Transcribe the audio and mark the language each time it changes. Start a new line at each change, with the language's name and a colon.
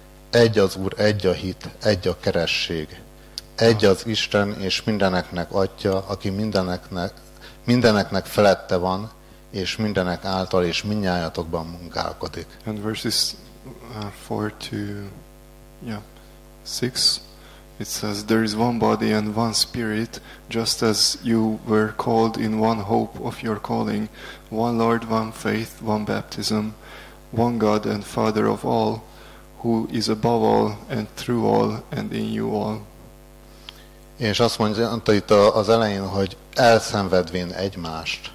Hungarian: Egy az Úr, egy a hit, egy a keresség. Egy az Isten és mindeneknek atya, aki mindeneknek felette van, és mindenek által és mindnyájatokban munkálkodik.
English: And verses 4 to 6, it says, there is one body and one spirit, just as you were called in one hope of your calling, one Lord, one faith, one baptism, one God and Father of all, who is above all and through all and in you all.
Hungarian: És azt mondta itt az elején, hogy elszenvedvén egymást.